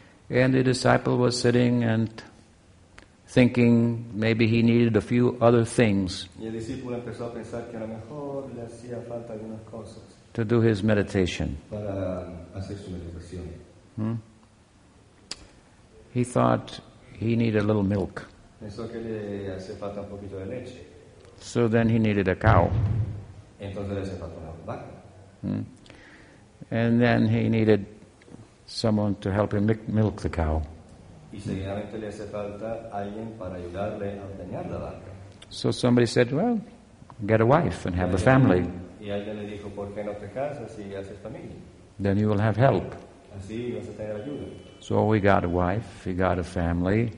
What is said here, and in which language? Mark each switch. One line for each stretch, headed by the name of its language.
English: And the disciple was sitting and thinking maybe he needed a few other things
Spanish: y el discípulo empezó a pensar que a lo mejor le hacía falta algunas cosas
English: to do his meditation.
Spanish: Para hacer su meditación.
English: He thought he needed a little milk.
Spanish: Pensó que le hace falta un poquito de leche.
English: So then he needed a cow.
Spanish: Entonces le hace falta una vaca.
English: And then he needed someone to help him milk the cow.
Spanish: Y seguidamente le hace falta alguien para ayudarle a ordeñar la vaca.
English: So somebody said, well, get a wife and have a family.
Spanish: Y alguien le dijo, ¿por qué no te casas y haces familia?
English: Then you will have help.
Spanish: Así vas a tener ayuda.
English: So we got a wife, he got a family.